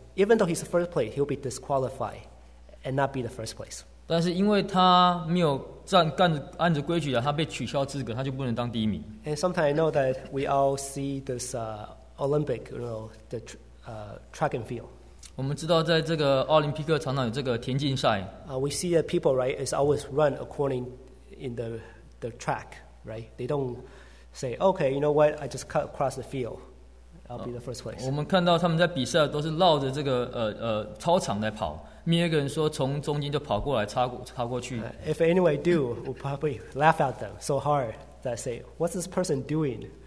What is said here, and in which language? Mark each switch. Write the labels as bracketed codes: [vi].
[en] Even though he's the first place, he'll be disqualified and not be the first place. [zh] 但是因为他没有按着规矩的，他被取消资格，他就不能当第一名。 [en] And sometimes I know that we all see this Olympic, you know, the track and field. [zh] 我们知道在这个奥林匹克常常有这个田径赛。 [en] We see that people, right, is always run according in the track, right? They don't say, okay, you know what, I just cut across the field. I'll be the first place. [zh] 我们看到他们在比赛都是绕着这个操场在跑。没有一个人说从中间就跑过来插过去。 [en] If anyone do, we'll probably laugh at them so hard that say, what's this person doing?